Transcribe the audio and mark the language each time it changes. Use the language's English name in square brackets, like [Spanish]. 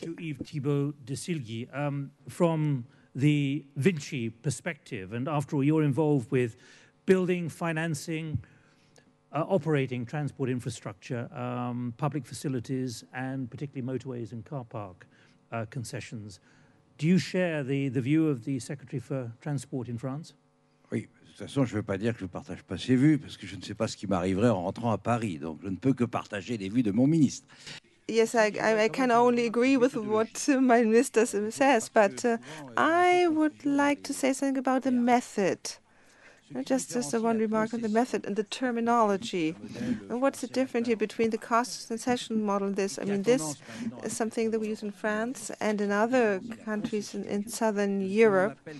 [English] To Yves Thibault de Silgy, from the Vinci perspective, and after all, you're involved with building, financing, operating transport infrastructure, public facilities, and particularly motorways and car park concessions. Do you share the view of the Secretary for Transport in France? [French] Oui, de toute façon, je ne veux pas dire que je ne partage pas ses vues, parce que je ne sais pas ce qui m'arriverait en rentrant à Paris, donc je ne peux que partager les vues de mon ministre. [English] Yes, I can only agree with what my minister says, but I would like to say something about the method. Just one remark on the method and the terminology. And what's the difference here between the cost concession model and this? I mean, this is something that we use in France and in other countries in southern Europe.